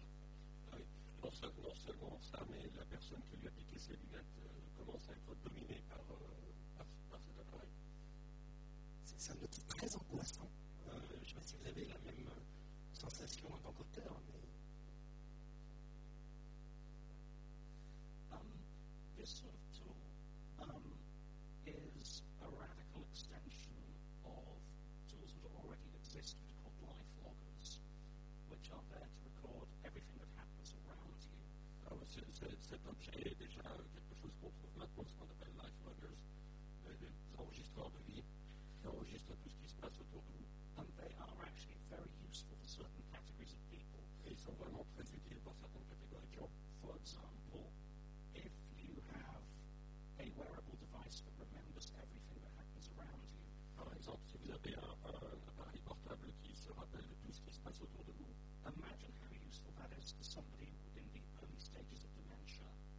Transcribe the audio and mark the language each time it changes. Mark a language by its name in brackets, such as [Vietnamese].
[French] Non seulement ça, mais la personne qui lui a piqué ses lunettes commence à être dominée par cet appareil. C'est un outil très angoissant. Je ne sais pas si vous avez la même sensation en tant qu'auteur, mais. [English] This sort of tool is a radical extension of tools that already exist, which are called life loggers, which are there to record everything that happens around you. [French] Cet objet est déjà quelque chose qu'on trouve maintenant, ce qu'on appelle life loggers, des enregistreurs de vie qui enregistrent tout ce qui se passe autour de vous. [English] And they are actually very useful for certain categories of people. [French] Et ils sont vraiment très utiles pour certaines catégories de gens. [English] For example, if you have a wearable device that remembers everything that happens around you. [French] Par exemple, si vous avez un appareil portable qui se rappelle de tout ce qui se passe autour de vous. [English] Imagine how useful that is to somebody in the early stages of dementia.